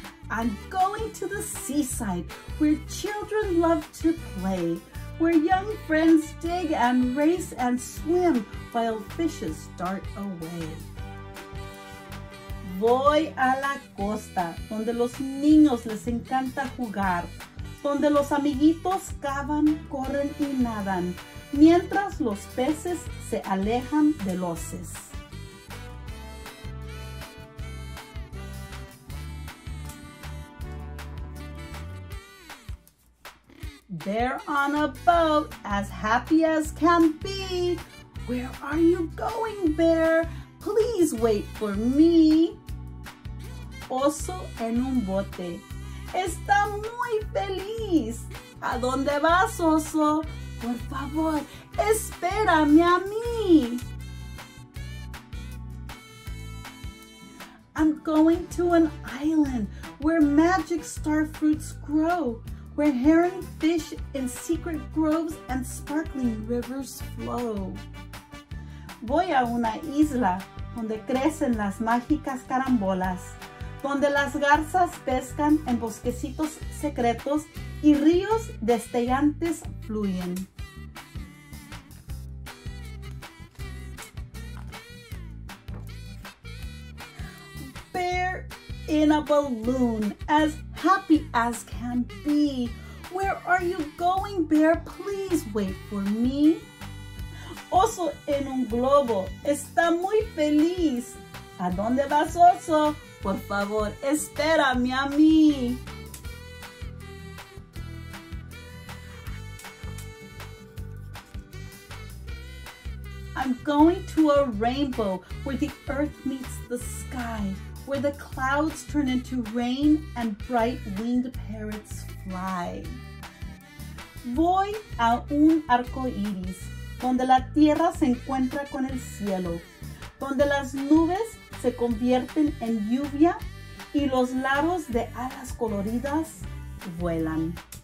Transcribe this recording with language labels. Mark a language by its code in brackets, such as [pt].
[en] I'm going to the seaside where children love to play, where young friends dig and race and swim while fishes dart away. [es] Voy a la costa, donde los niños les encanta jugar, donde los amiguitos cavan, corren y nadan, mientras los peces se alejan de los peces. [en] They're on a boat, as happy as can be. Where are you going, bear? Please wait for me. [es] Oso en un bote. Está muy feliz. ¿A dónde vas, oso? Por favor, espérame a mí. [en] I'm going to an island where magic star fruits grow, where heron fish in secret groves and sparkling rivers flow. [es] Voy a una isla donde crecen las mágicas carambolas, donde las garzas pescan en bosquecitos secretos y ríos destellantes fluyen. [en] Bear in a balloon, as happy as can be. Where are you going, bear? Please wait for me. [es] Oso en un globo, está muy feliz. ¿A dónde vas, oso? Por favor, espérame a mí. [en] I'm going to a rainbow where the earth meets the sky, where the clouds turn into rain and bright winged parrots fly. [es] Voy a un arco iris, donde la tierra se encuentra con el cielo, donde las nubes se convierten en lluvia y los lados de alas coloridas vuelan.